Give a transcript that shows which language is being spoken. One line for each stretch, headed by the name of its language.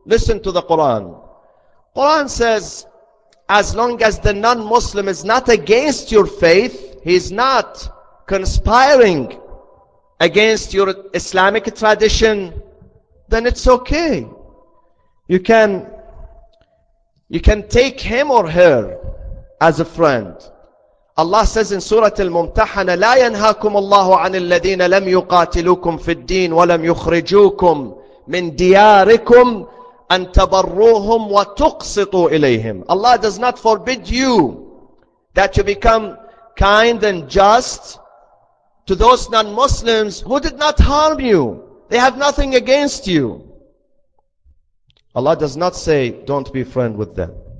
English: Listen to the Quran. Quran says, as long as the non-Muslim is not against your faith, he's not conspiring against your Islamic tradition, then it's okay. You can take him or her as a friend. Allah says in Surah Al-Mumtahana,
Arabic: لا ينهاكم الله عن الذين لم يقاتلوكم في الدين ولم يخرجوكم من دياركم أن تبروهم وتقسطوا إليهم.
English: Allah does not forbid you that you become kind and just to those non-Muslims who did not harm you. They have nothing against you. Allah does not say, don't be friend with them.